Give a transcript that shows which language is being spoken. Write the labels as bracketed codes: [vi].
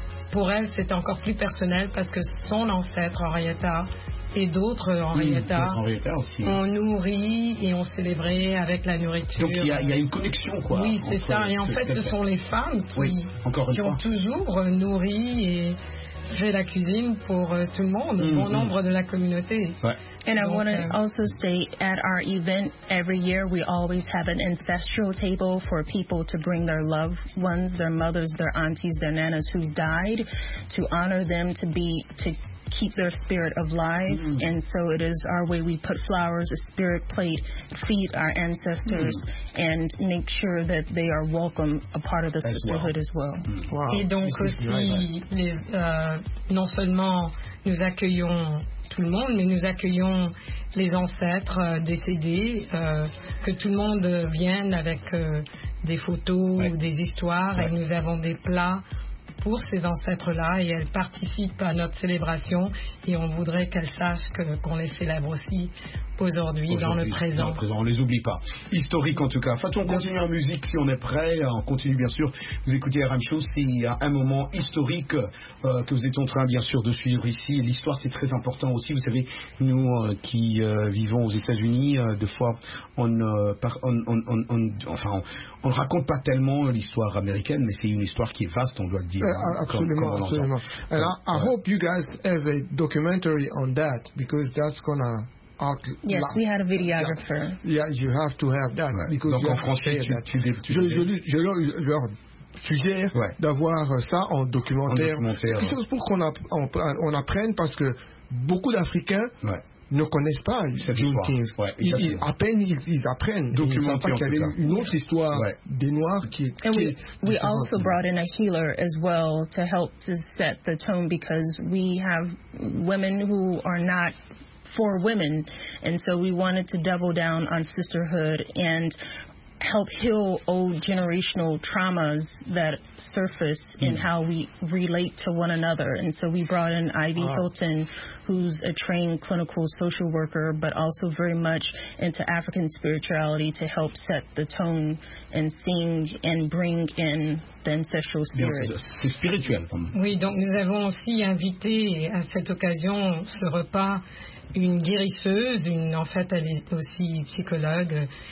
[fr] Pour elle, c'est encore plus personnel parce que son ancêtre, Henrietta, et d'autres Henrietta, ont nourri et ont célébré avec la nourriture. Donc il y a une connexion, quoi. Oui, c'est ça. Et en fait, ce sont les femmes qui ont toujours nourri et fait la cuisine pour tout le monde, bon nombre de la communauté. Ouais. [en] And I want to also say, at our event every year, we always have an ancestral table for people to bring their loved ones, their mothers, their aunties, their nanas who died, to honor them, to keep their spirit alive. Mm-hmm. And so it is our way we put flowers, a spirit plate, feed our ancestors, mm-hmm. and make sure that they are welcome, a part of the sisterhood as well. Wow. [fr] Et donc aussi, non seulement nous accueillons tout le monde, mais nous accueillons les ancêtres décédés, que tout le monde vienne avec des photos ou des histoires, et nous avons des plats pour ces ancêtres-là, et elles participent à notre célébration, et on voudrait qu'elles sachent qu'on les célèbre aussi aujourd'hui, dans le présent. Dans le présent, on ne les oublie pas. Historique en tout cas. Fatou, on continue en musique si on est prêt. On continue bien sûr. Vous écoutez RM Show, c'est un moment historique que vous êtes en train bien sûr de suivre ici. L'histoire, c'est très important aussi. Vous savez, nous qui vivons aux États-Unis, des fois, on ne raconte pas tellement l'histoire américaine, mais c'est une histoire qui est vaste, on doit le dire. Absolument. [en] I hope you guys have a documentary on that, because that's going to... Yes, we had a videographer. Yeah, you have to have that. Ouais. Because [fr] donc en français, je leur suggère d'avoir ça en documentaire. En documentaire. Pour qu'on apprenne, parce que beaucoup d'Africains ne connaissent pas Juneteenth. À peine ils apprennent. Donc ils savent pas qu'il y avait une autre histoire des Noirs qui. [en] We also brought in a healer as well to help to set the tone because we have women who are not. For women, and so we wanted to double down on sisterhood and help heal old generational traumas that surface in how we relate to one another. And so we brought in Ivy Hilton, who's a trained clinical social worker, but also very much into African spirituality to help set the tone and sing and bring in the ancestral spirits. [fr] C'est spirituel. Oui, donc nous avons aussi invité à cette occasion ce repas. Une guérisseuse, en fait, elle est aussi psychologue.